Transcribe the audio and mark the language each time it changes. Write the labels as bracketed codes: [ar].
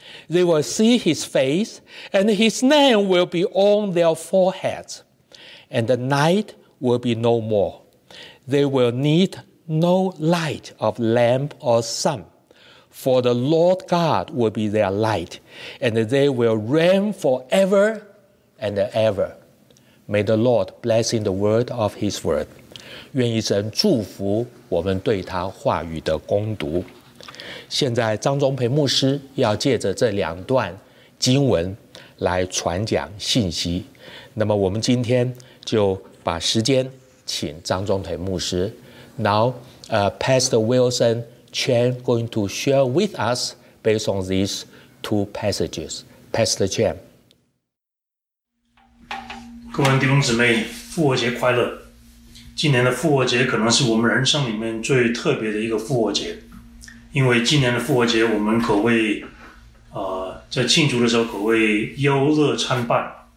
[en] They will see his face, and his name will be on their foreheads, and the night will be no more. They will need no light of lamp or sun, for the Lord God will be their light, and they will reign forever and ever. May the Lord bless the word of his word. [zh] 愿一神祝福我们对他话语的攻读。现在张宗培牧师要借着这两段经文来传讲信息，那么我们今天就把时间请张宗培牧师。 [en] Now, Pastor Wilson Chen going to share with us based on these two passages. Pastor Chen. [zh] 各位弟兄姊妹，复活节快乐。今年的复活节可能是我们人生里面最特别的一个复活节，因为今年的复活节我们可谓在庆祝的时候可谓忧乐参半。